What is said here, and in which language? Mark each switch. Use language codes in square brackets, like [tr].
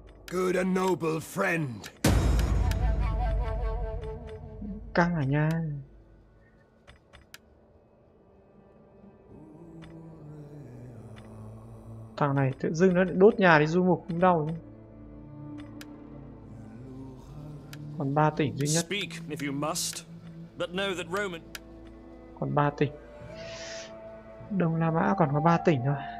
[en] Good and noble friend. [vi] Căng à nha. Thằng này tự dưng nó lại đốt nhà đi du mục cũng đau nhá. Còn 3 tỉnh duy nhất. [en] Speak if you must, but know that Roman. [vi] Còn 3 tỉnh. Đông La Mã còn có 3 tỉnh thôi.